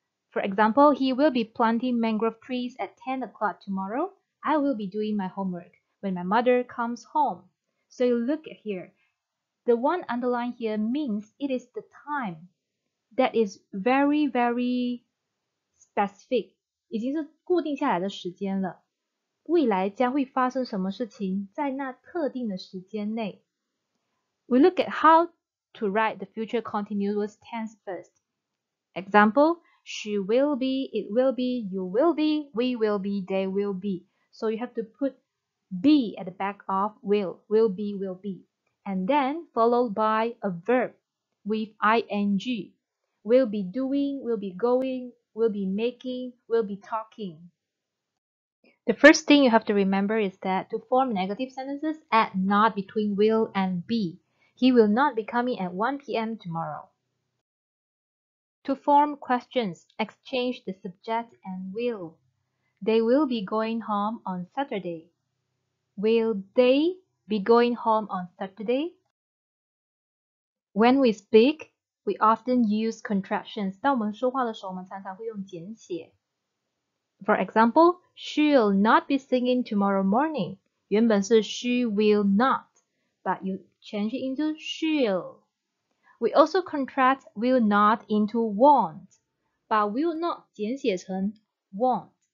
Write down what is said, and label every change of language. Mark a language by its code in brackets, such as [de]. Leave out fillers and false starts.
[en] For example, he will be planting mangrove trees at 10 o'clock tomorrow. I will be doing my homework when my mother comes home. So you look here. The one underlined here means it is the time that is very, very specific, [zh] 已经是固定下来的时间了。未来将会发生什么事情，在那特定的时间内。 [en] We look at how to write the future continuous tense first. Example, she will be, it will be, you will be, we will be, they will be. So you have to put be at the back of will be. And then followed by a verb with ing. Will be doing, will be going, will be making, will be talking. The first thing you have to remember is that to form negative sentences, add not between will and be. He will not be coming at 1 p.m. tomorrow. To form questions, exchange the subject and will. They will be going home on Saturday. Will they be going home on Saturday? When we speak, we often use contractions. [zh] 当我们说话的时候，我们常常会用简写。 [en] For example, she'll not be singing tomorrow morning. [zh] 原本是 [en] she will not. but you change it into shall. We also contract will not into won't, but will not [zh] 简写成 [en] won't.